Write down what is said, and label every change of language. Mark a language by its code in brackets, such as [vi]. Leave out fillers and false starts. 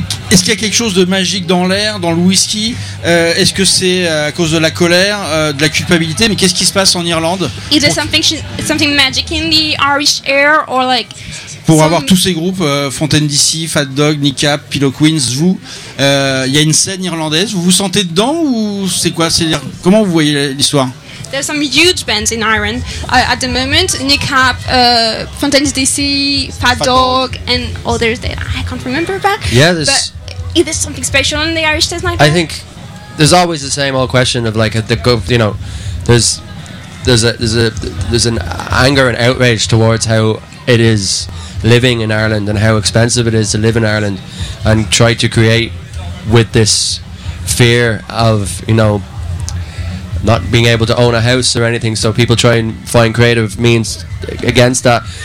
[fr] Est-ce qu'il y a quelque chose de magique dans l'air, dans le whisky? Est-ce que c'est à cause de la colère, de la culpabilité? Mais qu'est-ce qui se passe en Irlande? [en] Is there something magic in the Irish air, or like? [fr] Pour avoir tous ces groupes, Fontaine d'ici, Fat Dog, Kneecap, Pillow Queens, vous, il y a une scène irlandaise. Vous vous sentez dedans, ou c'est quoi? C'est-à-dire, comment vous voyez l'histoire? [en] There are some huge bands in Ireland at the moment. Kneecap, Fontaine d'ici, Fat Dog, and others that I can't remember about. Yeah, but is there something special in the Irish test night? I think there's always the same old question of like, there's an anger and outrage towards how it is living in Ireland and how expensive it is to live in Ireland, and try to create with this fear of, you know, not being able to own a house or anything, so people try and find creative means against that.